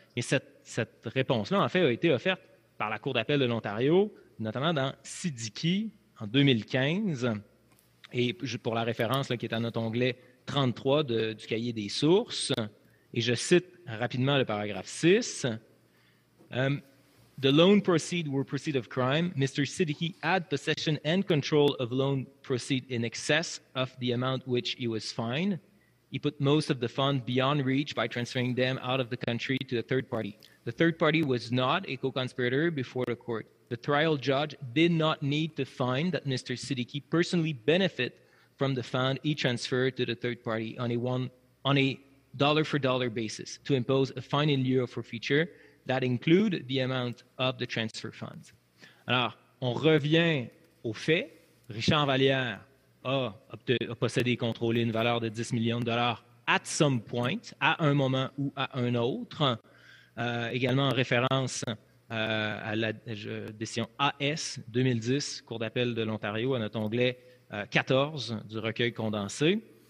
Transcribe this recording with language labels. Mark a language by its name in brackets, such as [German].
[French] Et cette réponse-là, en fait, a été offerte par la Cour d'appel de l'Ontario, notamment dans Siddiqui en 2015. Et pour la référence là, qui est à notre onglet 33 du cahier des sources, et je cite rapidement le paragraphe 6. [English] The loan proceeds were proceeds of crime. Mr. Siddiqui had possession and control of loan proceeds in excess of the amount which he was fined. He put most of the funds beyond reach by transferring them out of the country to a third party. The third party was not a co-conspirator before the court. The trial judge did not need to find that Mr. Siddiqui personally benefit from the fund he transferred to the third party on a dollar-for-dollar basis to impose a fine in lieu of forfeiture that include the amount of the transfer funds. [French] Alors, on revient au fait. Richard Vallière a possédé et contrôlé une valeur de 10 millions de dollars [English] at some point, [French] à un moment ou à un autre. Également en référence à la décision AS 2010, Cour d'appel de l'Ontario, à notre onglet 14 du recueil condensé.